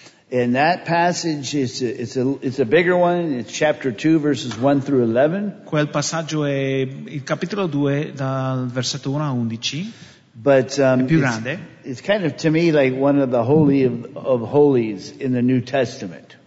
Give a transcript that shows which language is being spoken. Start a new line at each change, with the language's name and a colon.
English: And that passage is it's a bigger one. It's chapter 2, verses 1 through 11.
Italian: Quel passaggio è il capitolo 2 dal versetto 1 a 11.
English: But
Italian: è più grande.
English: It's kind of to me like one of the holy of holies in the New Testament.